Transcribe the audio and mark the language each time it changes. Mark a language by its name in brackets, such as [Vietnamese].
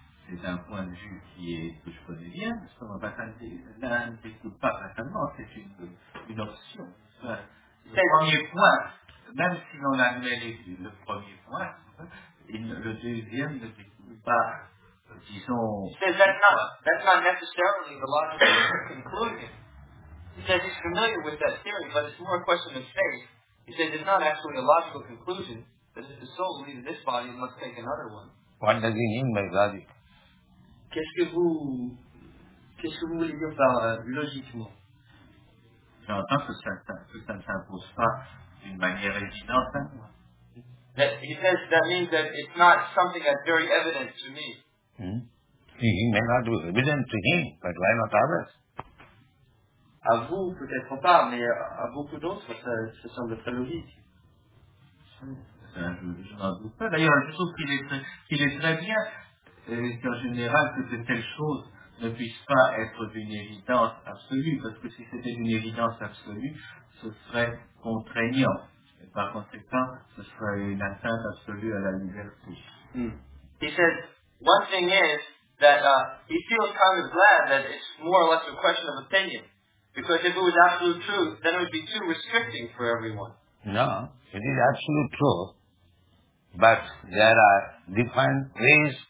[French] C'est un point de vue qui est, que je connais bien, parce que l'âme ne découle pas fatalement, c'est une option. Le premier point, même si l'on admet le premier point, le deuxième ne découle pas, disons... [English] That's not necessarily the logical conclusion. He says he's familiar with that theory, but it's more a question of faith. He says it's not actually a logical conclusion, that if the soul leaves this body, it must take another one. What does he mean by logic? [French] Qu'est-ce que vous voulez dire par logiquement? J'entends que ça ne s'impose pas d'une manière évidente. [English] He says that means that it's not something that's very evident to me. He may not be evident to him, but why not others? [French] À vous, peut-être pas, mais à beaucoup d'autres, ça semble très logique. Je n'en doute pas. D'ailleurs, je trouve qu'il est très bien, et en général, que de telles choses ne puisse pas être d'une évidence absolue, parce que si c'était d'une évidence absolue, ce serait contraignant. Et par conséquent, ce serait une atteinte absolue à la liberté. [English] He says, one thing is that he feels kind of glad that it's more or less a question of opinion. Because if it was absolute truth, then it would be too restricting for everyone. No, it is absolute truth. But there are different ways